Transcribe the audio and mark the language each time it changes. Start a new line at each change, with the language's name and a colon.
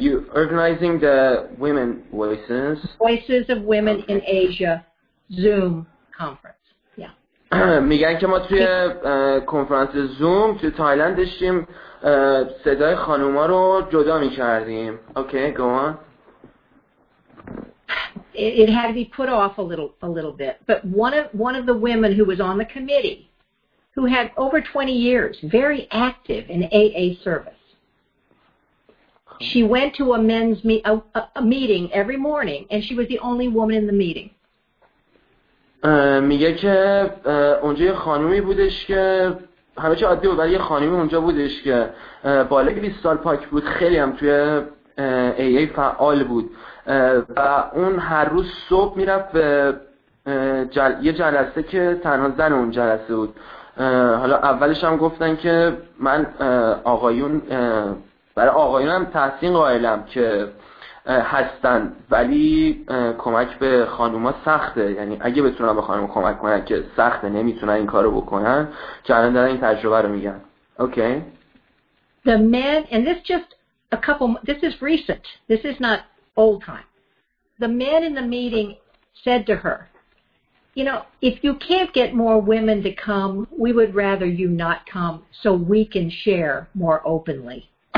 English: You organizing the women voices. Voices of women okay. in Asia Zoom conference. Yeah.
Persian: میگن که ما توی کنفرانس زوم توی تایلند داشتیم صدای خانوما رو جدا میکردیم.
English: Okay, go on. It had to be put off a little bit, but one of the women who was on the committee, who had over 20 years, very active in AA service, she went to a men's meeting every morning, and she was the only woman in the meeting.
Persian: میگه که اونجا یه خانومی بودش که همه چی عادی بود، ولی یه خانومی اونجا بودش که بالای 20 سال پاک بود، خیلی هم توی AA فعال بود. و اون هر روز صبح میرفت به یه جلسه که تنها زن اون جلسه بود. حالا اولش هم گفتن که من آقایون برای آقایون هم تحسین قائلم که هستن، ولی کمک به خانوما سخته، یعنی اگه بتونن به خانوما کمک کنن که سخته، نمیتونن این کارو بکنن، که الان دارن این تجربه رو میگن.
English: Okay. The men, and this just a couple, this is recent, this is not old time. The men in the meeting said to her, you know, if you can't get more women to come, we would rather you not come so we can share more openly.